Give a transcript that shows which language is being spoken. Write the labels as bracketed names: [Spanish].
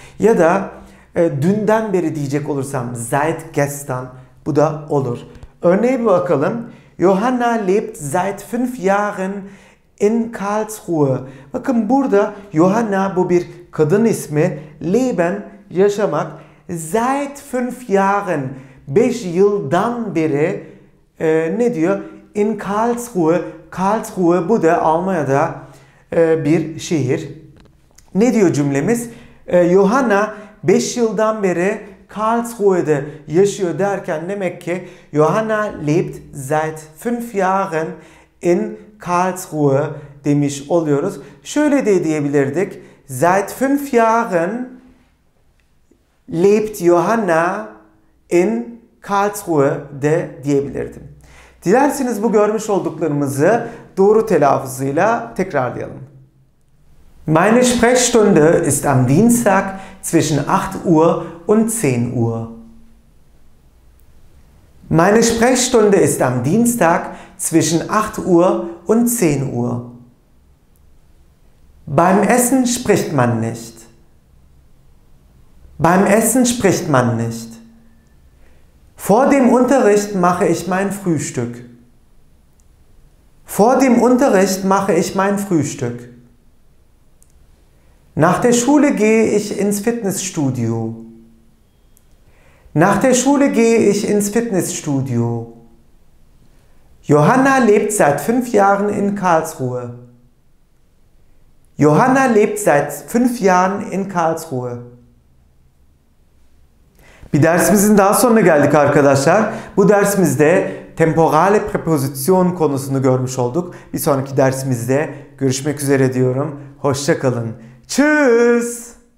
[Turkish] Ya da dünden beri diyecek olursam [German] seit gestern, [Turkish] bu da olur. Örneğe bir bakalım. [German] Johanna lebt seit 5 Jahren in Karlsruhe. [Turkish] Bakın burada Johanna, bu bir kadın ismi. Leben, yaşamak. [German] Seit 5 Jahren, [Turkish] 5 yıldan beri ne diyor? In Karlsruhe. Karlsruhe, bu da Almanya'da bir şehir. Ne diyor cümlemiz? Johanna 5 yıldan beri Karlsruhe'de yaşıyor derken demek ki [German] Johanna lebt seit 5 Jahren in Karlsruhe [Turkish] demiş oluyoruz. [German] Şöyle de diyebilirdik. Seit 5 Jahren lebt Johanna in Karlsruhe'de diyebilirdim. [Turkish] Dilerseniz bu görmüş olduklarımızı doğru telaffuzuyla tekrarlayalım. [German] Meine Sprechstunde ist am Dienstag zwischen 8 Uhr und 10 Uhr. Meine Sprechstunde ist am Dienstag zwischen 8 Uhr und 10 Uhr. Beim Essen spricht man nicht. Beim Essen spricht man nicht. Vor dem Unterricht mache ich mein Frühstück. Vor dem Unterricht mache ich mein Frühstück. Nach der Schule gehe ich ins Fitnessstudio. Nach der Schule gehe ich ins Fitnessstudio. Johanna lebt seit 5 Jahren in Karlsruhe. Johanna lebt seit 5 Jahren in Karlsruhe. [Turkish] Bir dersimizin daha sonuna geldik arkadaşlar. Bu dersimizde temporale preposition konusunu görmüş olduk. Bir sonraki dersimizde görüşmek üzere diyorum. Hoşça kalın. Tschüss!